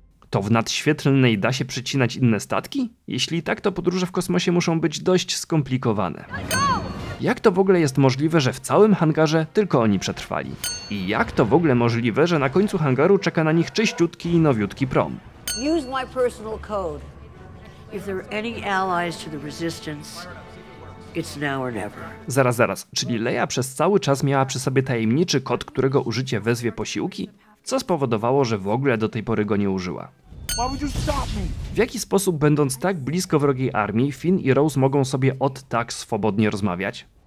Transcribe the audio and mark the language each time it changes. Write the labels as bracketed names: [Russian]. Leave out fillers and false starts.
[Polish] To w nadświetlnej da się przycinać inne statki? Jeśli tak, to podróże w kosmosie muszą być dość skomplikowane. Jak to w ogóle jest możliwe, że w całym hangarze tylko oni przetrwali? I jak to w ogóle możliwe, że na końcu hangaru czeka na nich czyściutki i nowiutki prom? [English] Use my personal code. If there are any allies to the resistance, it's now or never. [Polish] Zaraz, czyli Leia przez cały czas miała przy sobie tajemniczy kod, którego użycie wezwie posiłki? Co spowodowało, że w ogóle do tej pory go nie użyła? W jaki sposób, będąc tak blisko wrogiej armii, Finn i Rose mogą sobie od tak swobodnie rozmawiać?